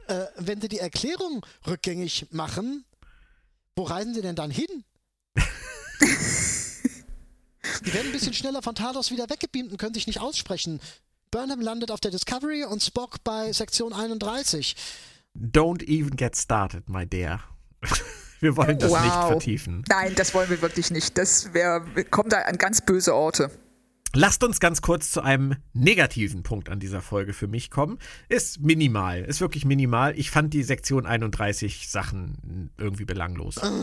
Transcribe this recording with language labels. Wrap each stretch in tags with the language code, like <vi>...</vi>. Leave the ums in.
<de>äh, wenn sie die Erklärung rückgängig machen, wo reisen sie denn dann hin? die werden ein bisschen schneller von Talos wieder weggebeamt und können sich nicht aussprechen. Burnham landet auf der Discovery und Spock bei Sektion 31.</de> <en>Don't even get started, my dear.</en> <de>Wir wollen das nicht vertiefen. Nein, das wollen wir wirklich nicht. Das wär, wir kommen da an ganz böse Orte. Lasst uns ganz kurz zu einem negativen Punkt an dieser Folge für mich kommen. Ist minimal, ist wirklich minimal. Ich fand die Sektion 31 Sachen irgendwie belanglos.</de>